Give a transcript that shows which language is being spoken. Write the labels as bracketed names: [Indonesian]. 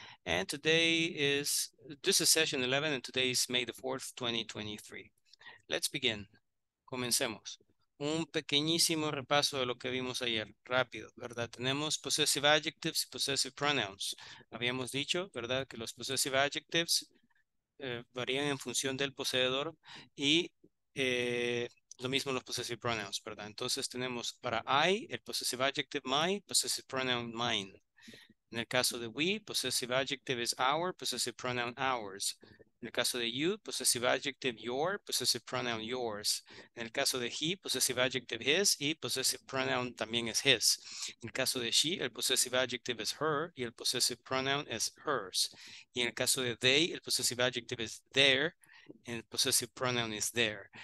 [English] And today is, this is session 11 and today is May the 4th, 2023. Let's begin. [Spanish] Comencemos. Un pequeñísimo repaso de lo que vimos ayer. Rápido, ¿verdad? Tenemos possessive adjectives y possessive pronouns. Habíamos dicho, ¿verdad? Que los possessive adjectives varían en función del poseedor y lo mismo los possessive pronouns, ¿verdad? Entonces tenemos para I, el possessive adjective my, possessive pronoun mine. En el caso de we, possessive adjective is our, possessive pronoun ours. En el caso de you, possessive adjective your, possessive pronoun yours. En el caso de he, possessive adjective his, y possessive pronoun también es his. En el caso de she, el possessive adjective is her, y el possessive pronoun es hers. Y en el caso de they, el possessive adjective is their, [English] and possessive pronoun is there.